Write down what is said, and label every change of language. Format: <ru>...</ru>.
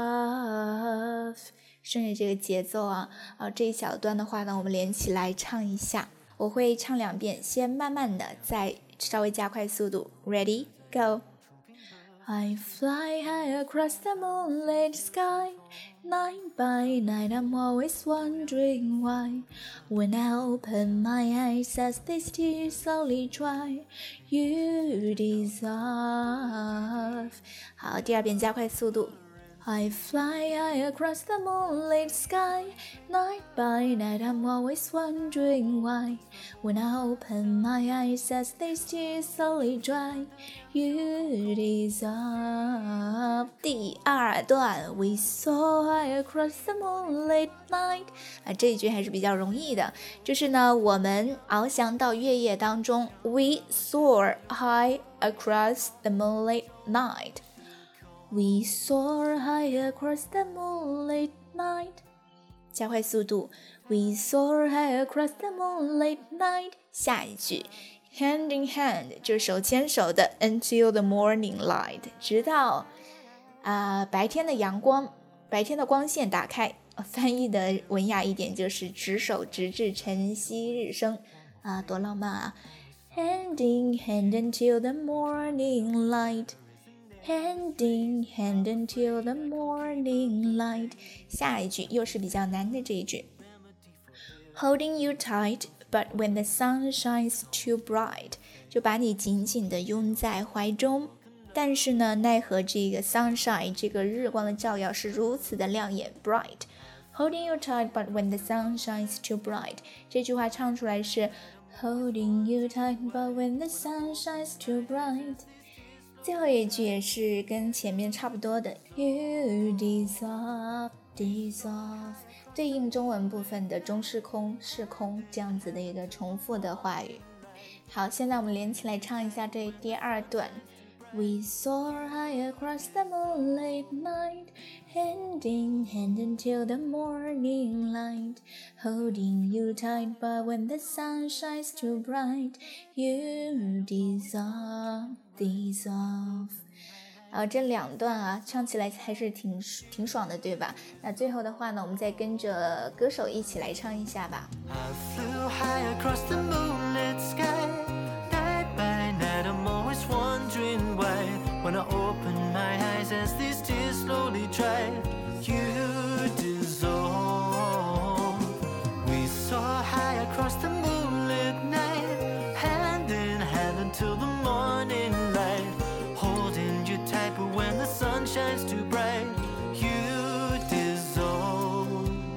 <en>You dissolve，</en> <zh>顺着这个节奏啊，这一小段的话呢我们连起来唱一下，我会唱两遍，先慢慢的再稍微加快速度。</zh> <en>Ready? Go! I fly high across the moonlit skyNight by night, I'm always wondering why. When I open my eyes as these tears slowly dry, you dissolve.</en> <zh>好，第二遍加快速度。</zh> <en>I fly high across the moonlit sky. Night by night, I'm always wondering why. When I open my eyes as these tears slowly dry, you dissolve.</en> <zh>第二段</zh> <en>We saw high across the moonlit night.</en> <zh>这一句还是比较容易的，就是呢，我们翱翔到月夜当中。</zh> <en>We soar high across the moonlit night. We soar high across the moonlit night.</en> <zh>加快速度。</zh> <en>We soar high across the moonlit night.</en> <zh>下一句。</zh> <en>Hand in hand,</en> <zh>就手牵手的</zh> <en>until the morning light.</en> <zh>直到白天的阳光，白天的光线打开。翻译的文雅一点就是执手直至晨曦日升。多浪漫啊。</zh> <en>Hand in hand until the morning light. Hand in hand until the morning light.</en> <zh>下一句又是比较难的这一句。</zh> <en>Holding you tight, but when the sun shines too bright,</en> <zh>就把你紧紧地拥在怀中，但是呢，奈何这个 sunshine 这个日光的照耀是如此的亮眼 bright.</zh> <en>Holding you tight, but when the sun shines too bright.</en> <zh>这句话唱出来是</zh> <en>Holding you tight, but when the sun shines too bright.</en> <zh>最后一句也是跟前面差不多的</zh> <en>You dissolve，</en> <zh>对应中文部分的中式空式空这样子的一个重复的话语。好，现在我们连起来唱一下这第二段。</zh> <en>We soar high across the moonlit night Hand in hand until the morning light Holding you tight but when the sun shines too bright You dissolve</en> <zh>这两段啊唱起来还是挺爽的，对吧？那最后的话呢我们再跟着歌手一起来唱一下吧。</zh> <en>I flew high across the moonlit sky Night by night I'm always wondering why When I open my eyes as these tears slowly dry You dissolve We saw high across the moonlit nightTill the morning light Holding you tight But when the sun shines too bright You dissolve</en>